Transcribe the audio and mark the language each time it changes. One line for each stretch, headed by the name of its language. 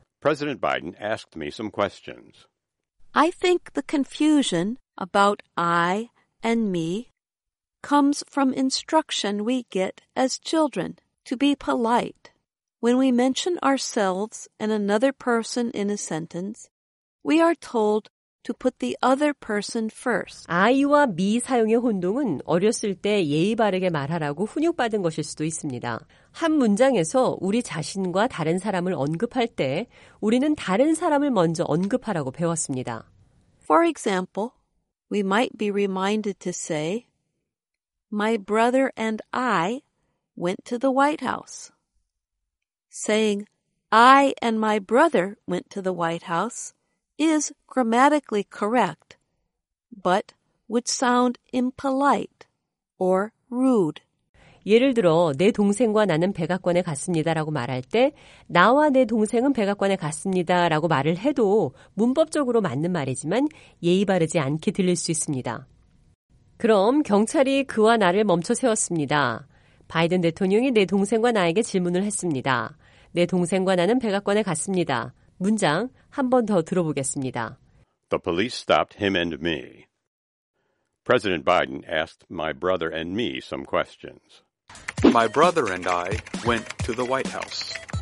English: President Biden asked me some questions. I think the confusion about I and me comes from instruction we get as children to be polite. When we mention ourselves and another person in a sentence, we are told to put the other person first.
Korean: I와 me 사용의 혼동은 어렸을 때 예의 바르게 말하라고 훈육받은 것일 수도 있습니다. 한 문장에서 우리 자신과 다른 사람을 언급할 때 우리는 다른 사람을 먼저 언급하라고 배웠습니다.
English: For example, we might be reminded to say, My brother and I went to the White House. Saying, I and my brother went to the White House is grammatically correct, but would sound impolite or rude.
Korean: 예를 들어 내 동생과 나는 백악관에 갔습니다라고 말할 때 나와 내 동생은 백악관에 갔습니다라고 말을 해도 문법적으로 맞는 말이지만 예의 바르지 않게 들릴 수 있습니다. 그럼 경찰이 그와 나를 멈춰 세웠습니다. 바이든 대통령이 내 동생과 나에게 질문을 했습니다. 내 동생과 나는 백악관에 갔습니다. 문장 한 번 더 들어보겠습니다.
English: The police stopped him and me. President Biden asked my brother and me some questions. My brother and I went to the White House.